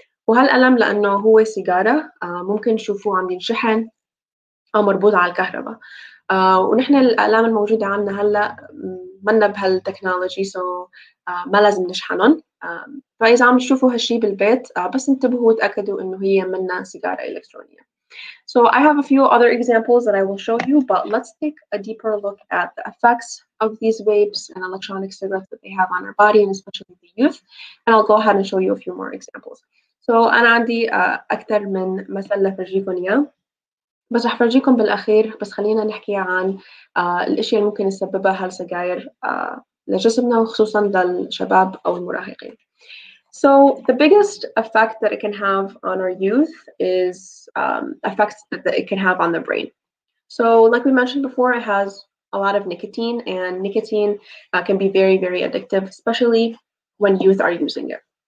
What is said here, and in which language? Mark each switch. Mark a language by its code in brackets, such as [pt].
[ar] وهالقلم لأنه هو سيجارة ممكن تشوفوه عم ينشحن أو مربوط على الكهرباء. ونحن الأقلام الموجودة عندنا هلا منا بهالتكنولوجي سو ما لازم نشحنهم. فإذا عم تشوفوا هالشي بالبيت بس انتبهوا وتأكدوا إنه هي منا سيجارة إلكترونية. [en] So I have a few other examples that I will show you, but let's take a deeper look at the effects of these vapes and electronic cigarettes that they have on our body and especially the youth. And I'll go ahead and show you a few more examples. [ar] So أنا عندي أكثر من مثال لفرجيكم إياه بس رح فرجيكم بالأخير بس خلينا نحكي عن الأشياء اللي ممكن تسببها هالسجاير لجسمنا وخصوصا للشباب أو المراهقين. [en] So the biggest effect that it can have on our youth is effects that it can have on the brain. So like we mentioned before, it has a lot of nicotine, and nicotine can be very, very addictive, especially when youth are using it.